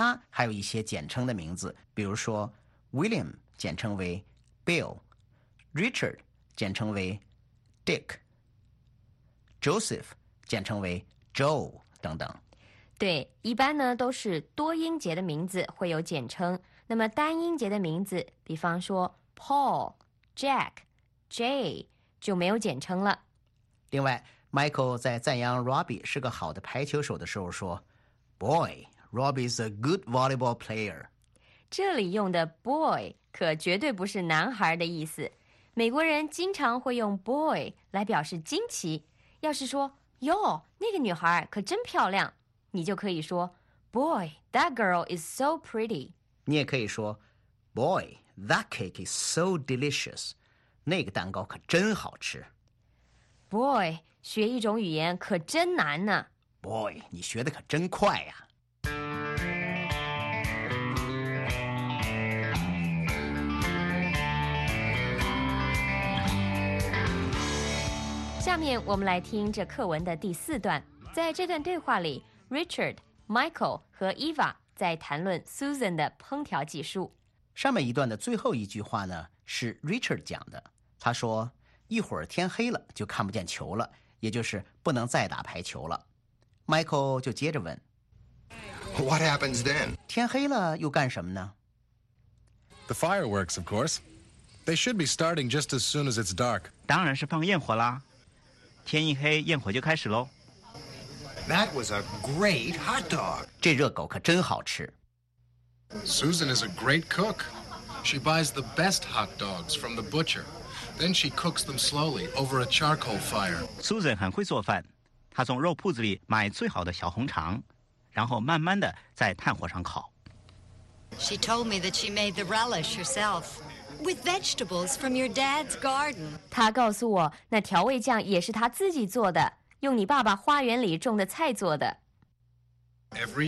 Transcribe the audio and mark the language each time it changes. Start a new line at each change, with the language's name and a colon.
Chinese: 那其他还有一些简称的名字，比如说 William 简称为 Bill， Richard 简称为 Dick， Joseph 简称为 Joe 等等。对，一般呢都是多音节的名字会有简称，那么单音节的名字，比方说 Paul、 Jack、 Jay 就没有简称了。另外，Michael 在赞扬 Robbie 是个好的排球手的时候说 ，Boy。
English: Robbie's a good volleyball player.
Chinese: 这里用的 boy 可绝对不是男孩的意思。美国人经常会用 boy 来表示惊奇。要是说哟，那个女孩可真漂亮，你就可以说
English: boy, that girl is so pretty.
Chinese: 你也可以说
English: boy, that cake is so delicious.
Chinese: 那个蛋糕可真好吃。boy, 学一种语言可真难呢。boy, 你学的可真快呀。下面我们来听这课文的第四段。在这段对话里， Richard, Michael 和 Eva 在谈论 Susan 的烹调技术。上面一段的最后一句话呢，是 Richard 讲的。他说，一会儿天黑了就看不见球了，也就是不能再打排球了。Michael 就接着问，
English: What happens then?
Chinese: 天黑了又干什么呢？
English: The fireworks, of course. They should be starting just as soon as it's dark.
Chinese: 当然是放焰火啦。天一黑,焰火就开始咯。
English: That was a great hot dog.
Chinese: 这热狗可真好吃。Susan
English: is a great cook. She buys the best hot dogs from the butcher. Then she cooks them slowly over a charcoal fire.
Chinese: Susan 很会做饭。她从肉铺子里买最好的小红肠,然后慢慢地在炭火上烤。She
English: told me that she made the relish herself. With vegetables from your dad's garden.
Chinese: 他告诉我，那调味酱也是他自己做的，用你爸爸花园里种的菜做的。Every